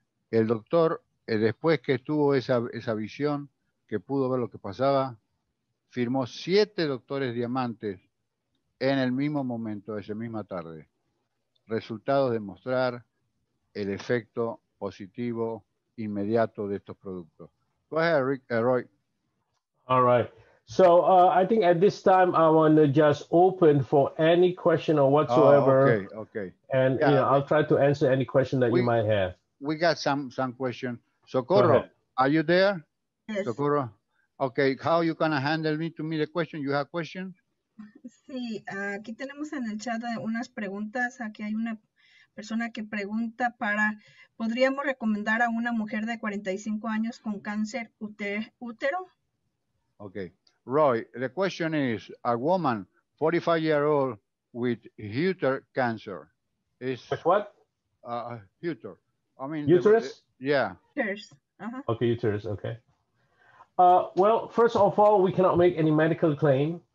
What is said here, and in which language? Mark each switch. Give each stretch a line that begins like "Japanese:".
Spanish: El doctor, después que tuvo esa visión, que pudo ver lo que pasaba, firmó 7 doctores diamantes en el mismo momento, esa misma tarde. Resultados de mostrar el efecto positivo inmediato de estos productos.
English: Go ahead, Rick, Roy. All right. So I think at this time I want to just open for any question or whatsoever. Oh, okay. And yeah, you know, I'll try to answer any question that you might have. We got some question. Socorro, are you there? Yes. Socorro. Okay, how are you going to handle me to me the question? You have questions?
Spanish: Sí, aquí tenemos en el chat unas preguntas. Aquí hay una persona que pregunta para, ¿podríamos recomendar a una mujer de 45 años con cáncer útero?
English: Okay. Roy, the question is, a woman, 45-year-old, with uter cancer. Is what? Uter. I mean, uterus? Yeah. Uterus. Uh-huh. Okay, uterus, okay. Well, first of all, we cannot make any medical claim.